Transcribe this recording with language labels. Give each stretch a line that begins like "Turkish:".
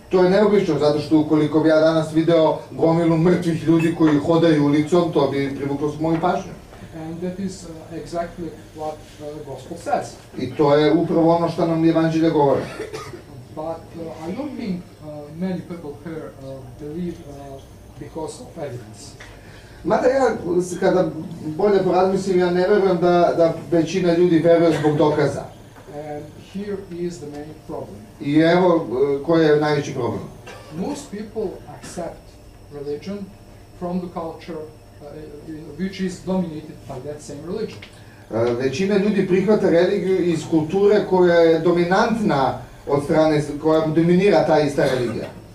Serbian: To je neobično, zato što ukoliko bi ja danas video gomilu mrtvih ljudi koji hodaju ulicom, to bi privuklo se moju pažnju.
English: And that is exactly what the Gospel says.
Serbian: I to je upravo ono što nam Evanđelje govore.
English: But I don't think many people here believe because of evidence.
Serbian: Mada ja, kada bolje porazmislim, ja ne verujem da većina ljudi veruje zbog dokaza.
English: And here is the main problem.
Serbian: I evo koji je najveći problem.
English: Most people accept religion from the culture which is dominated by that same religion.
Serbian: Većina ljudi prihvata religiju iz kulture koja je dominantna od strane, koja dominira ta ista religija.